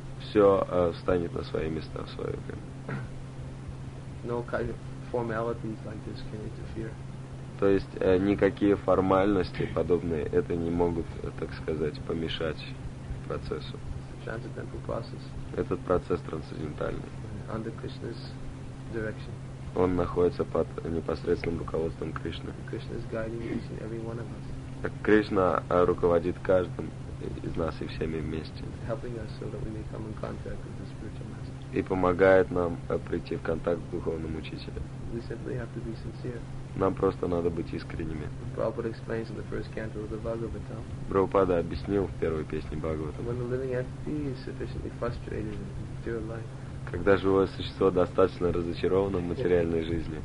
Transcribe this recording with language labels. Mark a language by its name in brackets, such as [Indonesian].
[Russian] Все встанет на свои места в свое время. [English] No kind of formalities like this can interfere. [Russian] То есть никакие формальности подобные это не могут, так сказать, помешать процессу. [English] transcendental process. [Russian] Этот процесс трансцендентальный. [English] Under Krishna's direction. [Russian] Он находится под непосредственным руководством Кришны. [English] Krishna is guiding each and every one of us. [Russian] Кришна руководит каждым из нас и всеми вместе. [English] Helping us so that we may come in contact with the spiritual master. [Russian] И помогает нам прийти в контакт с духовным учителем. [English] We simply have to be sincere. [Russian] Нам просто надо быть искренними. [English] Prabhupada explains in the first canto of the Bhagavatam. [Russian] Прабхупада объяснил в первой песне Бхагаватам. [English] When the living entity is sufficiently frustrated in material life. [Russian] Когда живое существо достаточно разочаровано в материальной жизни.